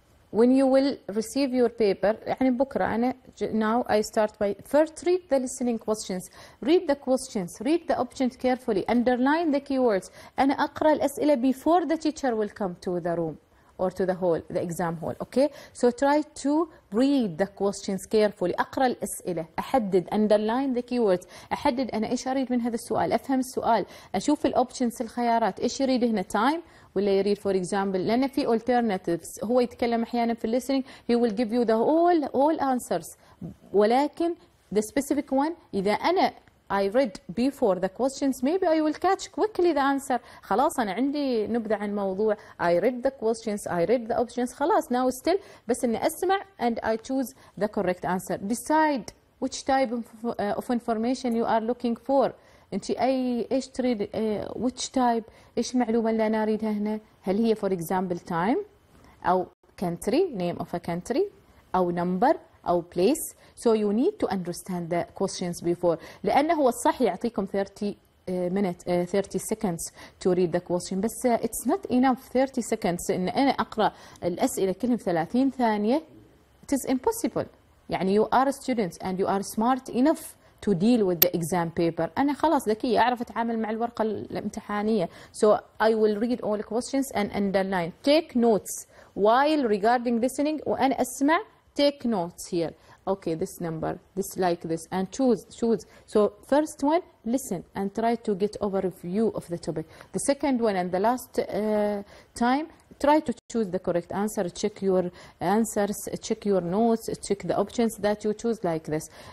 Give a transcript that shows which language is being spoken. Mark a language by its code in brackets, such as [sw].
[en] When you will receive your paper, يعني بكرة أنا now I start by first read the listening questions. Read the questions. Read the options carefully. Underline the keywords. أنا أقرأ الأسئلة before the teacher will come to the room or to the hall, the exam hall. Okay, so try to read the questions carefully. [ar] أقرأ الأسئلة، أحدد underline the keywords، أحدد أنا إيش أريد من هذا السؤال، أفهم السؤال، أشوف الأوبشنز الخيارات، إيش يريد هنا time ولا يريد for example، لأن في alternatives. هو يتكلم أحيانا في [en] listening he will give you the all answers، ولكن the specific one إذا أنا I read before the questions. Maybe I will catch quickly the answer. [ar] خلاص أنا عندي نبذة عن موضوع. [en] I read the questions. I read the options. خلاص now still. بس إني أسمع and I choose the correct answer. Decide which type of information you are looking for. [ar] أنت أي إيش تريد which type إيش المعلومة اللي أنا أريدها هنا؟ هل هي for example time أو country name of a country أو number أو place. [en] So you need to understand the questions before. لأنه هو الصح يعطيكم 30 seconds to read the question. [ar] بس it's not enough 30 seconds إن أنا أقرأ الأسئلة كلهم 30 ثانية. [en] It is impossible. يعني you are a student and you are smart enough to deal with the exam paper. [ar] أنا خلاص ذكية أعرف أتعامل مع الورقة الامتحانية. [en] So I will read all questions and underline. Take notes while regarding listening. وأنا أسمع take notes here. Okay, this number, this like this, and choose. So first one, listen and try to get overview of the topic. The second one and the last time, try to choose the correct answer, check your answers, check your notes, check the options that you choose like this.